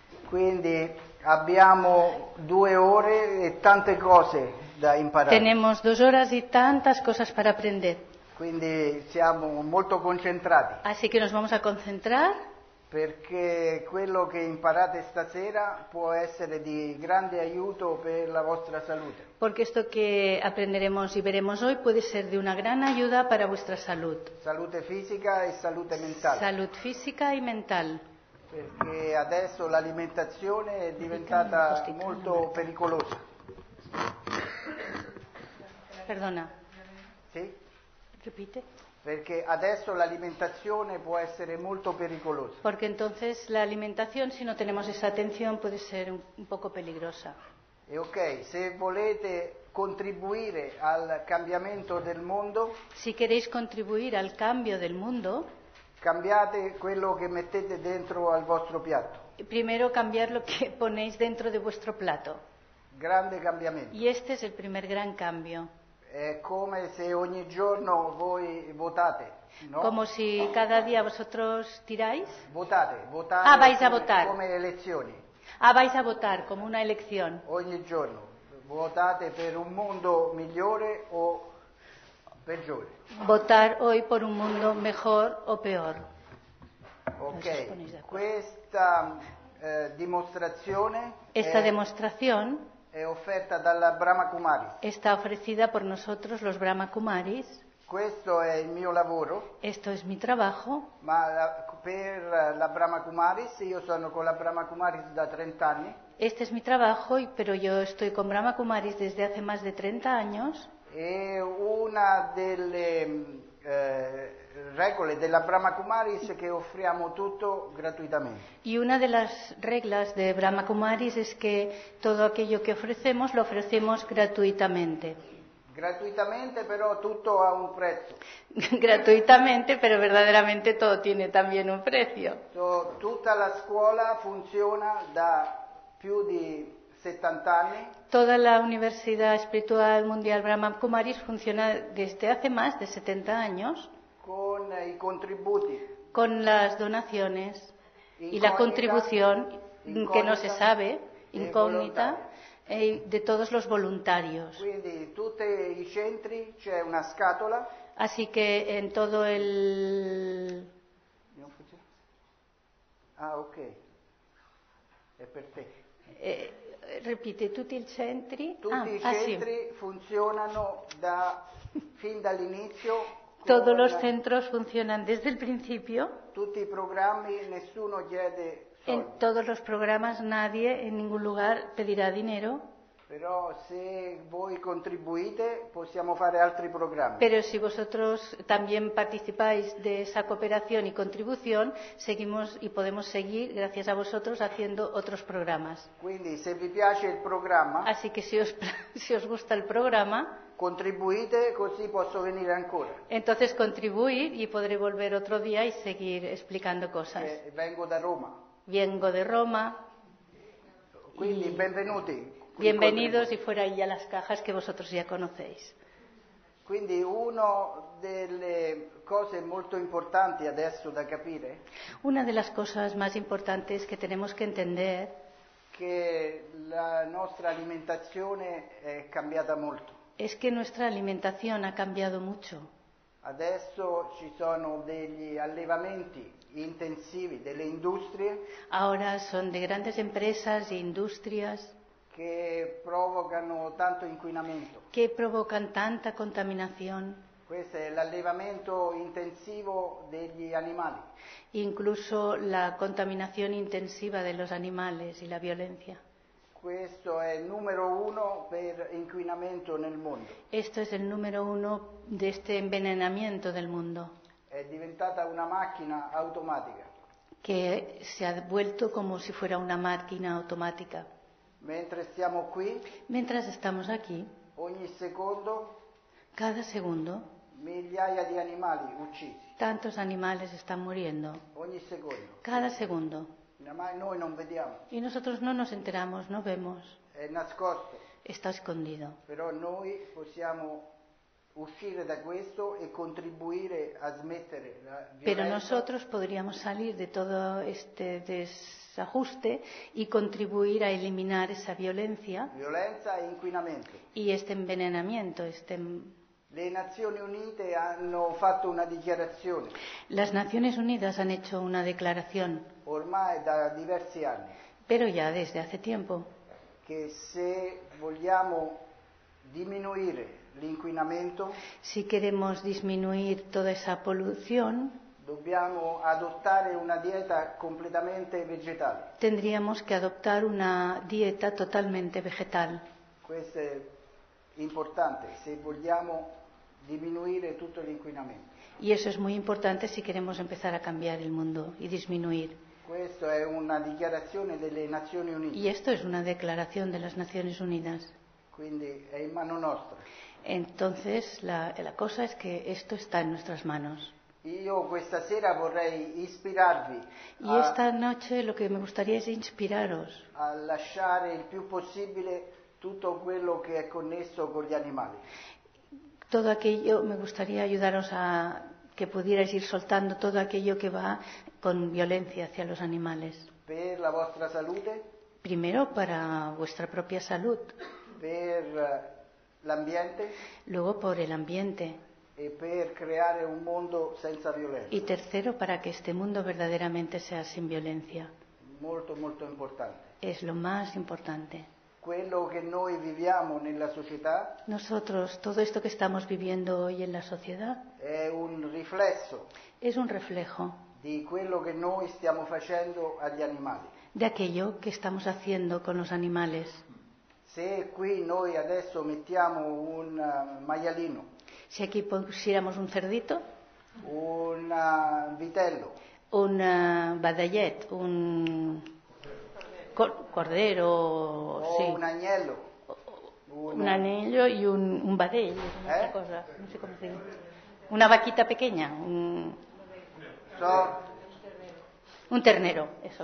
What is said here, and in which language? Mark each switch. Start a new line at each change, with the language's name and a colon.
Italian: Quindi abbiamo due ore e tante cose da imparare.
Spanish: Tenemos dos horas y tantas cosas para aprender.
Italian: Quindi siamo molto concentrati.
Spanish: Así que nos vamos a concentrar.
Italian: Perché quello che imparate stasera può essere di grande aiuto per la vostra salute.
Spanish: Porque esto que aprenderemos y veremos hoy puede ser de una gran ayuda para vuestra salud.
Italian: Salute fisica e salute mentale.
Spanish: Salud física y mental.
Italian: Perché adesso l'alimentazione è diventata molto pericolosa.
Spanish: Perdona.
Italian: Sì? Ripete. Perché adesso l'alimentazione può essere molto pericolosa.
Spanish: Porque entonces la alimentación, si no tenemos esa atención, puede ser un poco peligrosa.
Italian: E ok, se volete contribuire al cambiamento del mondo.
Spanish: Si queréis contribuir al cambio del mundo.
Italian: Cambiate quello che mettete dentro al vostro piatto.
Spanish: Primero cambiar lo que ponéis dentro de vuestro plato.
Italian: Grande cambiamento.
Spanish: Y este es el primer gran cambio.
Italian: È come se ogni giorno voi votate, no? Come se
Spanish: cada día vosotros tiráis?
Italian: Votate.
Spanish: Ah, vais a votar.
Italian: Come elezioni.
Spanish: Ah, vais a votar, come una elección.
Italian: Ogni giorno. Votate per un mondo migliore o peggiore.
Spanish: Votar hoy por un mundo mejor o peor.
Italian: Ok, questa dimostrazione.
Spanish: Esta demostración.
Italian: È offerta dalla Brahma Kumari.
Spanish: Está ofrecida por nosotros los Brahma Kumaris.
Italian: Questo è il mio lavoro.
Spanish: Esto es mi trabajo.
Italian: Ma per la Brahma Kumaris, io sono con la Brahma Kumaris da 30 anni.
Spanish: Este es mi trabajo, pero yo estoy con Brahma Kumaris desde hace más de 30 años.
Italian: E una delle regole della Brahma Kumaris che offriamo tutto gratuitamente.
Spanish: Y una de las reglas de Brahma Kumaris es que todo aquello que ofrecemos lo ofrecemos gratuitamente.
Italian: Gratuitamente,
Spanish: pero
Italian: tutto ha un prezzo.
Spanish: Gratuitamente, pero verdaderamente todo tiene también un precio.
Italian: Tutta la scuola funziona da più di 70 anni.
Spanish: Toda la Universidad Espiritual Mundial Brahma Kumaris funciona desde hace más de 70 años.
Italian: Con i contributi.
Spanish: Con las donaciones y la contribución que no se sabe, incógnita, de todos los voluntarios.
Italian: Quindi, tutti i centri, c'è una scatola.
Spanish: Así que en todo el...
Italian: Ah, ok. È per te. Ripete, tutti i centri... Tutti i centri funzionano fin dall'inizio.
Spanish: Todos los centros funcionan desde el principio.
Italian: Tutti i programmi, nessuno chiede soldi.
Spanish: En todos los programas nadie en ningún lugar pedirá dinero.
Italian: Però se voi contribuite possiamo fare altri programmi.
Spanish: Pero si vosotros también participáis de esa cooperación y contribución, seguimos y podemos seguir gracias a vosotros haciendo otros programas.
Italian: Quindi se vi piace il programma.
Spanish: Así que si os gusta el programa.
Italian: Contribuite, così posso venire ancora.
Spanish: Entonces contribuí y podré volver otro día y seguir explicando cosas.
Italian: Vengo da Roma.
Spanish: Vengo de Roma.
Italian: Quindi benvenuti.
Spanish: Bienvenidos y fuera ya las cajas que vosotros ya conocéis.
Italian: Quindi una delle cose molto importanti adesso da capire.
Spanish: Una de las cosas más importantes que tenemos que entender.
Italian: Che la nostra alimentazione è cambiata molto.
Spanish: Es que nuestra alimentación ha cambiado mucho.
Italian: Adesso ci sono degli allevamenti intensivi delle industrie.
Spanish: Ahora son de grandes empresas e industrias
Italian: che provocano tanto inquinamento.
Spanish: Que provocan tanta contaminación.
Italian: Questo è l'allevamento intensivo degli animali.
Spanish: Incluso la contaminación intensiva de los animales y la violencia.
Italian: Questo è il numero uno per inquinamento nel mondo.
Spanish: Esto es el número uno de este envenenamiento del mundo.
Italian: È diventata una macchina automatica.
Spanish: Que se ha vuelto como si fuera una máquina automática.
Italian: Mentre siamo qui.
Spanish: Mientras estamos aquí.
Italian: Ogni secondo.
Spanish: Cada segundo.
Italian: Migliaia di animali uccisi.
Spanish: Tantos animales están muriendo.
Italian: Ogni secondo.
Spanish: Cada segundo.
Italian: noi non vediamo.
Spanish: Y nosotros no nos enteramos, no vemos.
Italian: È nascosto.
Spanish: Está escondido.
Italian: Però noi possiamo uscire da questo e contribuire a smettere la violenza.
Spanish: Pero nosotros podríamos salir de todo este desajuste y contribuir a eliminar esa violencia.
Italian: Violenza e inquinamento.
Spanish: Y este envenenamiento, este.
Italian: Le Nazioni Unite hanno fatto una dichiarazione.
Spanish: Las Naciones Unidas han hecho una declaración.
Italian: Ormai da diversi anni.
Spanish: Pero ya desde hace tiempo.
Italian: Che se vogliamo diminuire l'inquinamento.
Spanish: Si queremos disminuir toda esa polución.
Italian: Dobbiamo adottare una dieta completamente vegetale.
Spanish: Tendríamos que adoptar una dieta totalmente vegetal.
Italian: Questo è importante se vogliamo disminuire tutto l'inquinamento.
Spanish: Y eso es muy importante si queremos empezar a cambiar el mundo y disminuir.
Italian: Questo è una dichiarazione delle Nazioni Unite.
Spanish: Y esto es una declaración de las Naciones Unidas.
Italian: Quindi è in mano nostra.
Spanish: Entonces la cosa es que esto está en nuestras manos.
Italian: Io questa sera vorrei ispirarvi.
Spanish: Y esta noche lo que me gustaría es inspiraros.
Italian: A lasciare il più possibile tutto quello che è connesso con gli animali.
Spanish: Todo aquello, me gustaría ayudaros a que pudierais ir soltando todo aquello que va con violencia hacia los animales.
Italian: Per la vostra salute.
Spanish: Primero para vuestra propia salud.
Italian: Per l'ambiente.
Spanish: Luego por el ambiente.
Italian: E per creare un mondo senza violenza.
Spanish: Y tercero para que este mundo verdaderamente sea sin violencia.
Italian: Molto, molto importante.
Spanish: Es lo más importante.
Italian: Quello che noi viviamo nella società.
Spanish: Nosotros, todo esto que estamos viviendo hoy en la sociedad.
Italian: È un riflesso.
Spanish: Es un reflejo.
Italian: Di quello che noi stiamo facendo agli animali.
Spanish: De aquello que estamos haciendo con los animales.
Italian: Se qui noi adesso mettiamo un maialino.
Spanish: Si aquí pusiéramos un cerdito.
Italian: Un vitello.
Spanish: Un badallet, un cordero, o sí. Un anillo y un badell, cosa, no sé cómo se dice. Una vaquita pequeña, un ternero, eso,